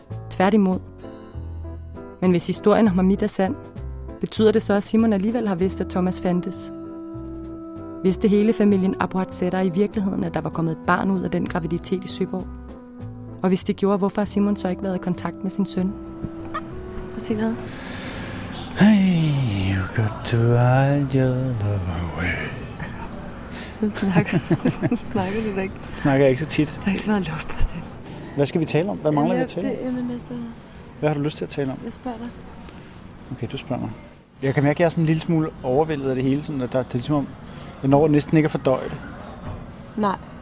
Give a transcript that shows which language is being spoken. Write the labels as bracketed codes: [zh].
[da] Tværtimod. Men hvis historien om Hamid er sand, betyder det så, at Simon alligevel har vidst, at Thomas fandtes. Vidste hele familien Abuhatzetter i virkeligheden, at der var kommet et barn ud af den graviditet i Søborg? Og hvis det gjorde, hvorfor har Simon så ikke været i kontakt med sin søn? Prøv at sige noget. [en] Hey, you got to hide your love away. [da] Snakker jeg ikke så tit. Der er ikke så meget luft på stedet. Hvad skal vi tale om? Hvad mangler vi at tale om? Altså, hvad har du lyst til at tale om? Jeg spørger dig. Okay, du spørger mig. Jeg kan mærke, at jeg er sådan en lille smule overvældet af det hele. Sådan, at det er ligesom om, jeg når næsten ikke at fordøje det. Nej.